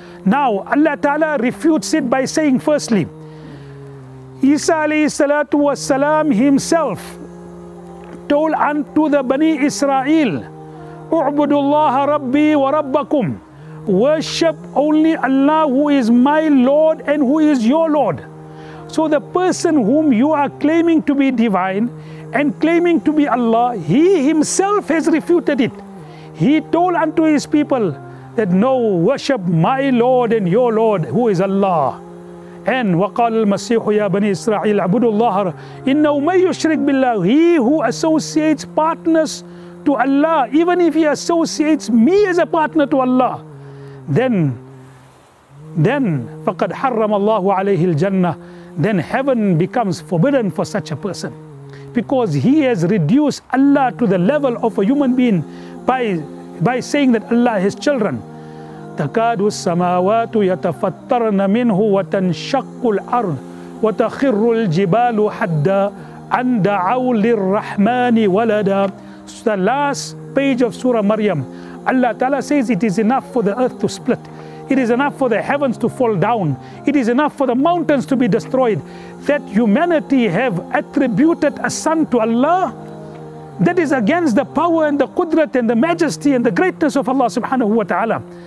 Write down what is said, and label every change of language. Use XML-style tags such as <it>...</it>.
<en>Now Allah ta'ala refutes it by saying, firstly, Isa alayhi salatu wasalam himself told unto the Bani Israel,</en> <ar>U'budullaha rabbi wa rabbakum,</ar> <en>worship only Allah who is my Lord and who is your Lord. So the person whom you are claiming to be divine and claiming to be Allah, he himself has refuted it. He told unto his people that no, worship my Lord and your Lord who is Allah. And</en> <ar>وقال المسيح يا بني إسرائيل عبدوا الله إنه ما يشرك بالله.</ar> <en>He who associates partners to Allah, even if he associates me as a partner to Allah, then</en> <ar>فقد حرم الله عليه الجنة.</ar> <en>Then heaven becomes forbidden for such a person, because he has reduced Allah to the level of a human being by saying that Allah has children.</en> <ar>تكاد السماوات يتفطرن منه وتنشق الأرض وتخر الجبال حدا أن دعوا للرحمن ولدا.</ar> <en>So the last page of Surah Maryam, Allah Ta'ala says it is enough for the earth to split. It is enough for the heavens to fall down. It is enough for the mountains to be destroyed. That humanity have attributed a son to Allah, that is against the power and the qudrat and the majesty and the greatness of Allah subhanahu wa ta'ala.</en>